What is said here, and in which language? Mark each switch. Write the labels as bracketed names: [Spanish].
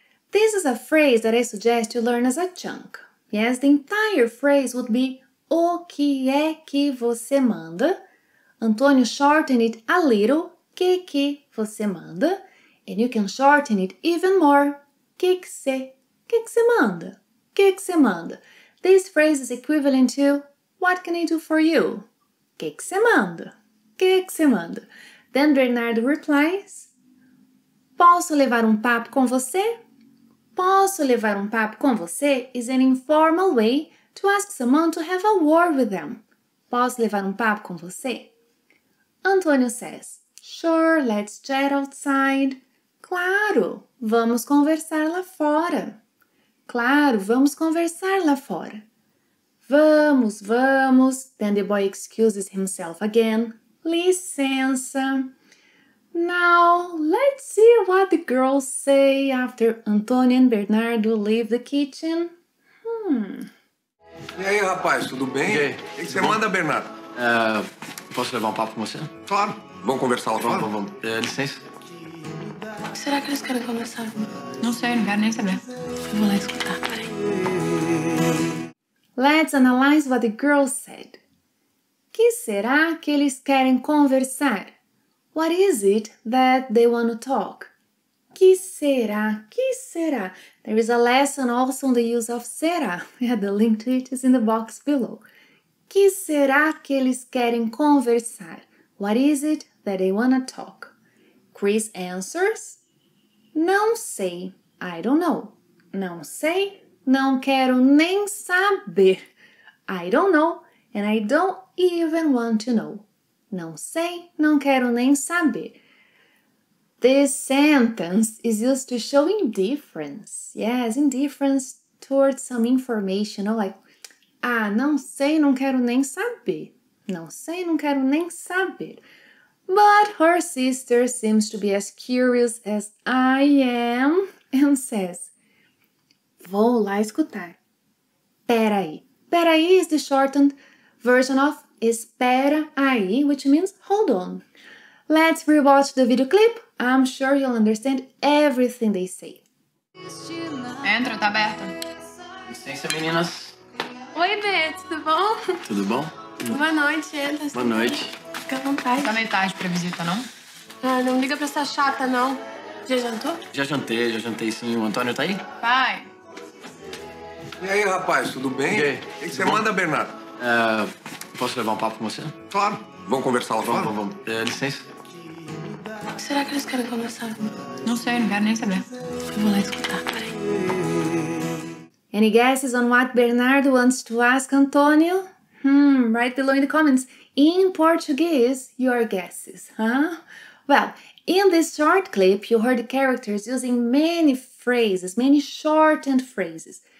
[English] This is a phrase that I suggest you learn as a chunk. Yes, the entire phrase would be [Portuguese] O que é que você manda? [English] Antônio shortened it a little. [Portuguese] Que você manda? [English] And you can shorten it even more. [Portuguese] Que você manda? Que você manda? [English] This phrase is equivalent to What can I do for you? [Portuguese] Que você manda? Que você manda? [English] Then Bernardo replies, [Portuguese] Posso levar papo com você? Posso levar papo com você [English] is an informal way to ask someone to have a word with them. [Portuguese] Posso levar papo com você? [English] Antônio says, Sure, let's chat outside. [Portuguese] Claro, vamos conversar lá fora. Claro, vamos conversar lá fora. Vamos, vamos. [English] Then the boy excuses himself again. Licença. Now, let's see what the girls say after Antônio and Bernardo leave the kitchen. [Portuguese] E aí, rapaz, tudo bem? E aí? O que você manda, Bernardo? Posso levar papo com você? Claro. Vamos conversar lá fora? Vamos. Licença. Será que eles querem conversar? Não sei, não quero nem saber. Vou lá escutar, peraí. [English] Let's analyze what the girls said. [Portuguese] Que será que eles querem conversar? [English] What is it that they want to talk? [Portuguese] Que será? Que será? [English] There is a lesson also on the use of será. Yeah, the link to it is in the box below. [Portuguese] Que será que eles querem conversar? [English] What is it that they want to talk? Chris answers, [Portuguese] Não sei. [English] I don't know. Não sei. [Portuguese] Não quero nem saber. [English] I don't know. And I don't even want to know. [Portuguese] Não sei, não quero nem saber. [English] This sentence is used to show indifference. Yes, indifference towards some information. You know, like, [Portuguese] Ah, não sei, não quero nem saber. Não sei, não quero nem saber. [English] But her sister seems to be as curious as I am and says, [Portuguese] vou lá escutar. Peraí. [English] Peraí is the shortened version of [Portuguese] espera aí, [English] which means hold on. Let's rewatch the video clip. I'm sure you'll understand everything they say. [Portuguese] Entra, tá aberta. Licença, meninas. Oi, Bê, tudo bom? Tudo bom? Boa noite, entra. Boa noite. Fica à vontade. Tá meio tarde pra visita, não? Ah, não liga pra essa chata, não. Já jantou? Já jantei sim. O Antônio tá aí? Pai. E aí, rapaz, tudo bem? E aí? O que você manda, Bernardo? Posso levar um papo com você? Claro. Vamos conversar lá fora? Vamos. Licença. Será que eles querem conversar? Não sei, não quero nem saber. Eu vou lá escutar, peraí. [English] Any guesses on what Bernardo wants to ask Antonio? Write below in the comments. In Portuguese, your guesses, huh? Well, in this short clip, you heard the characters using many phrases, many shortened phrases.